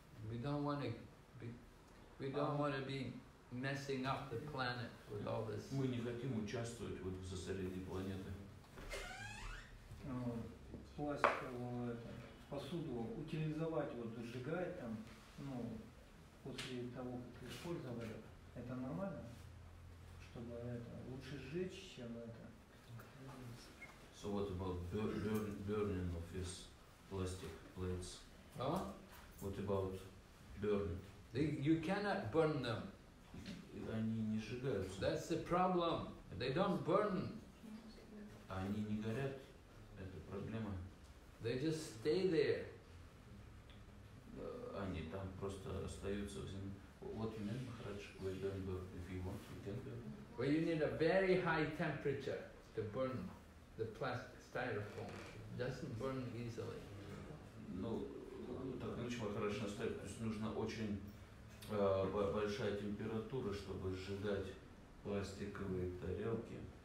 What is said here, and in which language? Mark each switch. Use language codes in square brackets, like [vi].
[en] We don't want to be messing up the planet with all this. [ru] Мы не хотим участвовать вот в засорении планеты. Пластиковую посуду утилизовать, вот сжигать там, ну, после того, как использовали, это нормально? Чтобы это лучше сжечь, чем это. [en] So what about burning of his plastic plates? What about burning? You cannot burn them. [ru] Они не сжигаются. [en] That's the problem. They don't burn. [ru] Они не горят. Это проблема. [en] They just stay there. [ru] Они там просто остаются в земле. [en] What you mean, Махарадж? We don't burn. If you want, you can burn. Well, you need a very high temperature to burn the plastic styrofoam. It doesn't burn easily. [ru] Ну, так, ключ Махарадж настаивает. То есть нужно очень большая температура, чтобы сжигать пластиковые тарелки.